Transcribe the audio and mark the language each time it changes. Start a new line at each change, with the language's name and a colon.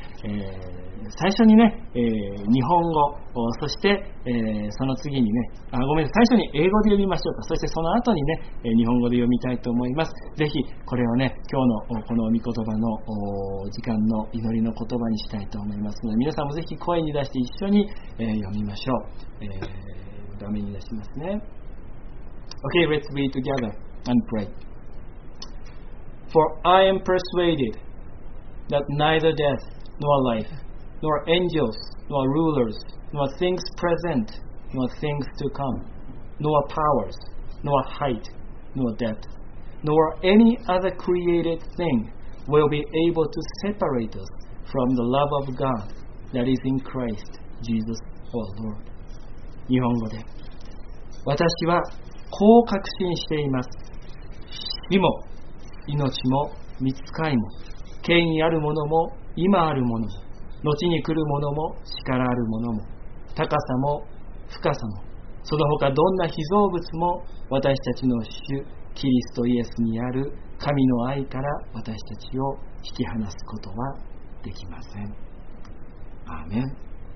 Japanese: 最初にね、日本語、そして、その次にね、あ、ごめんなさい、最初に英語で読みましょうか。そしてその後にね、日本語で読みたいと思います。ぜひこれをね、今日のこの御言葉の時間の祈りの言葉にしたいと思いますので、皆さんもぜひ声に出して一緒に読みましょう。画面に出しますね。
English: Okay, let's read together and pray. For I am persuaded that neither death nor life nor angels nor rulers nor things present nor things to come nor powers nor height nor depthNor any other created thing will be able to separate us from the love of God that is in Christ Jesus our Lord.
Japanese: 日本語で、私はこう確信しています。死も命も見つかりも、権威あるものも今あるものも、後に来るものも力あるものも、高さも深さも、その他どんな被造物も私たちの主キリストイエスにある神の愛から私たちを引き離すことはできません。アーメン。